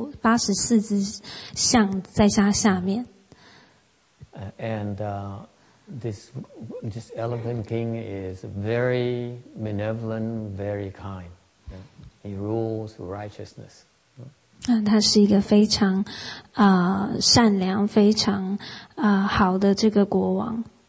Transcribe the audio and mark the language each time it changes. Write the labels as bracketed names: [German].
[Chinese] 所以跟你们说过去这个佛的一个故事，就是他曾经是一个这个象王，大象的王国王，然后他有84只象在他下面。 [English] And this elephant king is very benevolent, very kind. He rules righteousness. [Chinese] 他是一个非常善良、非常好的这个国王。